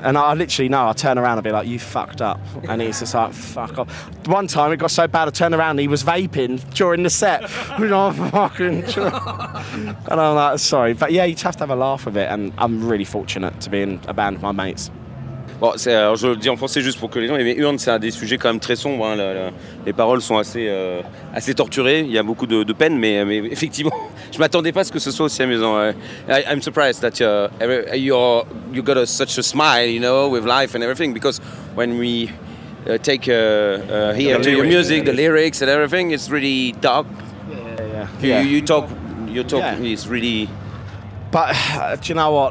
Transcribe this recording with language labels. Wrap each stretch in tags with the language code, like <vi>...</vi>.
<en>And I literally know, I turn around and be like, you fucked up. And he's just like, fuck off. One time it got so bad, I turned around and he was vaping during the set. And I'm like, sorry. But yeah, you just have to have a laugh with it. And I'm really fortunate to be in a band with my mates.</en> <fr>Bon, je le dis en français juste pour que les gens... Mais Urne, c'est un des sujets quand même très sombres. Hein, les paroles sont assez torturées. Il y a beaucoup de peine, mais effectivement, je ne m'attendais pas à ce que ce soit aussi amusant.</fr> <en>I'm surprised that you got such a smile, you know, with life and everything, because when we take here to your music, the lyrics and everything, it's really dark. Yeah. You talk yeah. It's really... But do you know what?</en>